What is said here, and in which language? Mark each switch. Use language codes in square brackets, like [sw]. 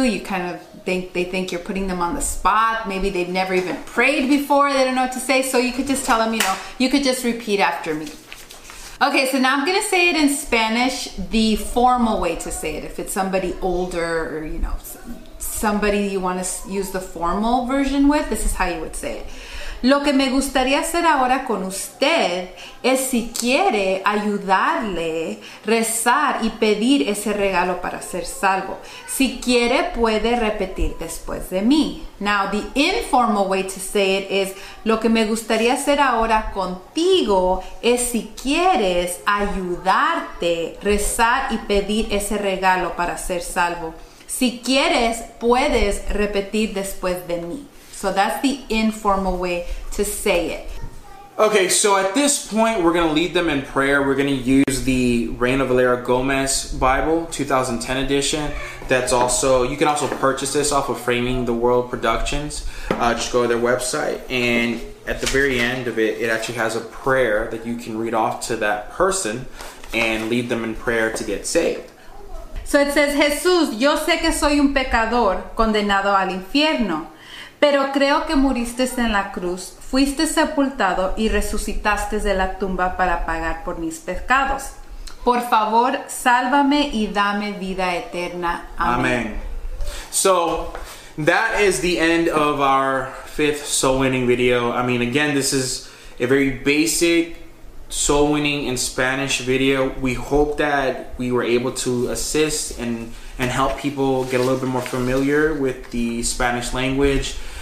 [en] You kind of think, they think you're putting them on the spot. Maybe they've never even prayed before. They don't know what to say. So you could just tell them, you know, you could just repeat after me. Okay, so now I'm going to say it in Spanish, the formal way to say it. If it's somebody older or, you know, somebody you want to use the formal version with, this is how you would say it. [es] Lo que me gustaría hacer ahora con usted es si quiere ayudarle rezar y pedir ese regalo para ser salvo. Si quiere, puede repetir después de mí. Now, the informal way to say it is, lo que me gustaría hacer ahora contigo es si quieres ayudarte rezar y pedir ese regalo para ser salvo. Si quieres, puedes repetir después de mí. [en] So that's the informal way to say it. Okay, so at this point, we're going to lead them in prayer. We're going to use the Reina Valera Gomez Bible, 2010 edition. That's also, you can also purchase this off of Framing the World Productions. Just go to their website. And at the very end of it, it actually has a prayer that you can read off to that person and lead them in prayer to get saved. [es] So it says, Jesús, yo sé que soy un pecador condenado al infierno, pero creo que muriste en la cruz, fuiste sepultado y resucitaste de la tumba para pagar por mis pecados. Por favor, sálvame y dame vida eterna. Amén. [en] So, that is the end of our fifth soul winning video. I mean, again, this is a very basic soul winning in Spanish video. We hope that we were able to assist and help people get a little bit more familiar with the Spanish language.